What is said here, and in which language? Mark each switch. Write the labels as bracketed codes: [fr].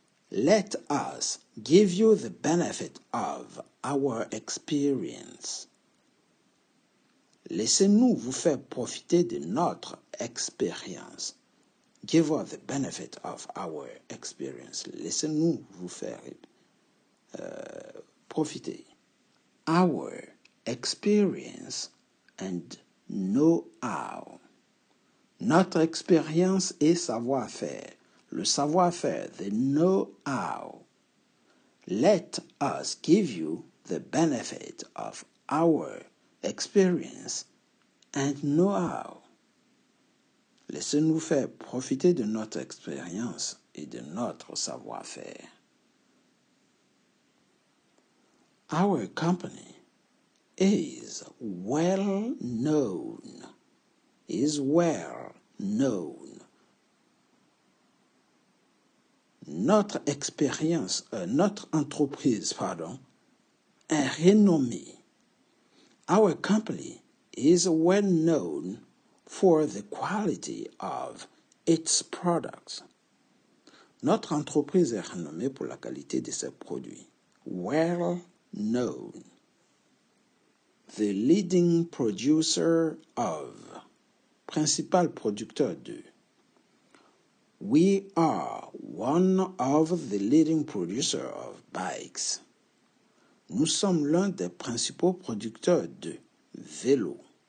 [en] Let us give you the benefit of our experience. [fr] Laissez-nous vous faire profiter de notre expérience. [en] Give us the benefit of our experience. [fr] Laissez-nous vous faire profiter. [en] Our experience and know-how. [fr] Notre expérience et savoir-faire. Le savoir-faire, [en] the know-how. Let us give you the benefit of our experience and know-how. [fr] Laissez-nous faire profiter de notre expérience et de notre savoir-faire. [en] Our company is well known. Is well known. [fr] Notre expérience, notre entreprise, pardon, est renommée. [en] Our company is well known for the quality of its products. [fr] Notre entreprise est renommée pour la qualité de ses produits. [en] Well known. The leading producer of. [fr] Principal producteur de. [en] We are one of the leading producers of bikes. [fr] Nous sommes l'un des principaux producteurs de vélos.